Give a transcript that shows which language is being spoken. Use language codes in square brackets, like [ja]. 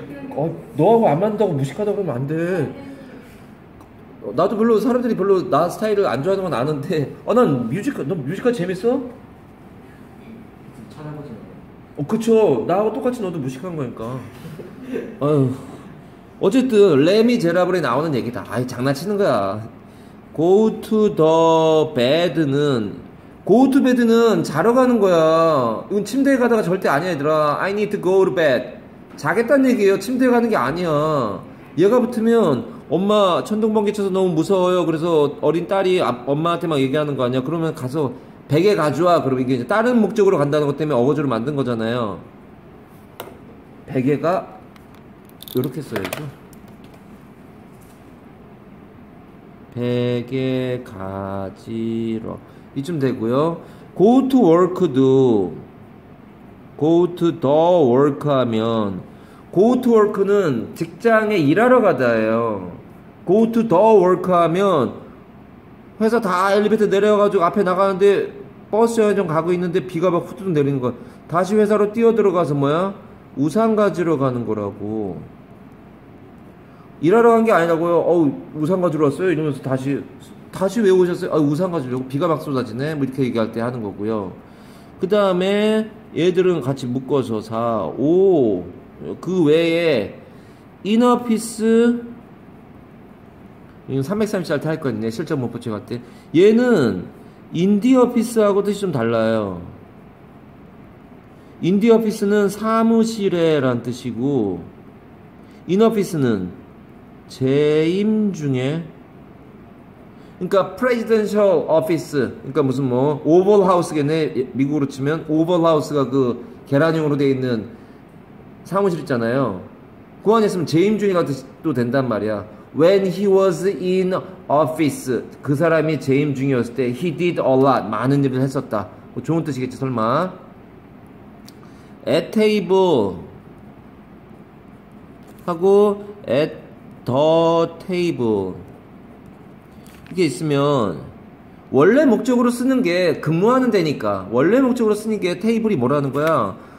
[ko] 어, 너하고 안 맞는다고 무식하다고 그러면 안 돼. 나도 별로 사람들이 별로 나 스타일을 안 좋아하는 건 아는데 어, 난 뮤지컬, 너 뮤지컬 재밌어? 어, 그쵸. 나하고 똑같이 너도 무식한 거니까. 어쨌든 레미제라블에 나오는 얘기다. 아이 장난치는 거야. [en] Go to the bed는 go to bed는 [ko] 자러 가는 거야. 이건 침대에 가다가 절대 아니야 얘들아. [en] I need to go to bed. [ko] 자겠다는 얘기예요. 침대에 가는 게 아니야. 얘가 붙으면 엄마 천둥번개 쳐서 너무 무서워요. 그래서 어린 딸이 엄마한테 막 얘기하는 거 아니야. 그러면 가서 베개 가져와. 그러면 이게 이제 다른 목적으로 간다는 것 때문에 어거지로 만든 거잖아요. 베개가 이렇게 써야죠. 베개 가지러 이쯤 되고요. [en] Go to work도 go to the work 하면 go to work는 [ko] 직장에 일하러 가다예요. go to the work 하면 회사 다 엘리베이터 내려가지고 앞에 나가는데 버스 정류장 가고 있는데 비가 막 후두둑 내리는 거야. 다시 회사로 뛰어 들어가서 뭐야? 우산 가지러 가는 거라고. 일하러 간 게 아니라고요. 어우 우산 가지러 왔어요 이러면서 다시 왜 오셨어요? 아, 우산 가지려고 비가 막 쏟아지네 뭐 이렇게 얘기할 때 하는 거고요. 그 다음에 얘들은 같이 묶어서 4, 5 그 외에 인어피스 330짜리 할 거 있네. 실전 못 붙여 갔대. 얘는 인디어피스하고 뜻이 좀 달라요. 인디어피스는 사무실에 라는 뜻이고 인어피스는 재임 중에. 그러니까 프레지던셜 오피스, 그러니까 무슨 뭐 오벌 하우스겠네. 미국으로 치면 오벌 하우스가 그 계란형으로 돼 있는 사무실 있잖아요. 그 안에 있으면 재임 중이라도 된단 말이야. [en] When he was in office, [ko] 그 사람이 재임 중이었을 때 [en] he did a lot, [ko] 많은 일을 했었다. 뭐 좋은 뜻이겠지 설마. At table 하고 at the table 이게 있으면 원래 목적으로 쓰는 게 근무하는 데니까 원래 목적으로 쓰는 게 테이블이 뭐라는 거야?